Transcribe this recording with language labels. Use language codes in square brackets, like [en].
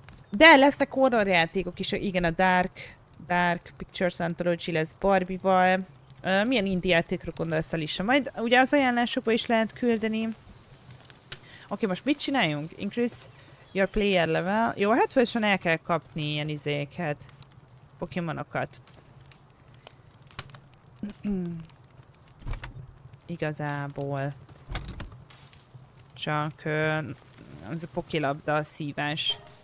[hu] De lesznek horror játékok is, igen, a Dark Pictures Anthology lesz Barbie-val. Milyen indie játékra gondolsz, Alisa? Majd ugye az ajánlásokba is lehet küldeni. Oké, most mit csináljunk? [en] Increase your player level. [hu] Jó, hát folyosan el kell kapni ilyen izéket. Pokémonokat. Igazából. Csak az a pokilabda a szívás.